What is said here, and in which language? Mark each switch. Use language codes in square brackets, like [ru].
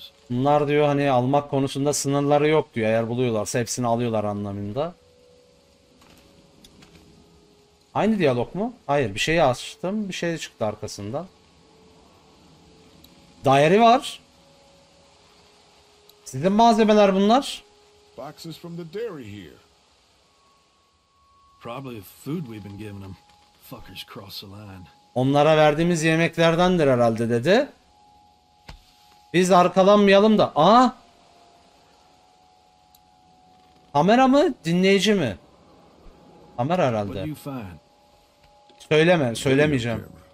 [tr] Bunlar diyor hani almak konusunda sınırları yok diyor. Eğer buluyorlarsa hepsini alıyorlar anlamında. Aynı diyalog mu? Hayır, bir şeyi açtım, bir şey çıktı arkasından. Daire var. Sizin malzemeler bunlar. [en] Boxes from the dairy here. Probably food we've been giving them. Fuckers cross the line. [tr] Onlara verdiğimiz yemeklerdendir herhalde dedi. Biz arkalanmayalım da. Aa! Kamera mı? Dinleyici mi? Kamera herhalde. Söyleme, söylemeyeceğim.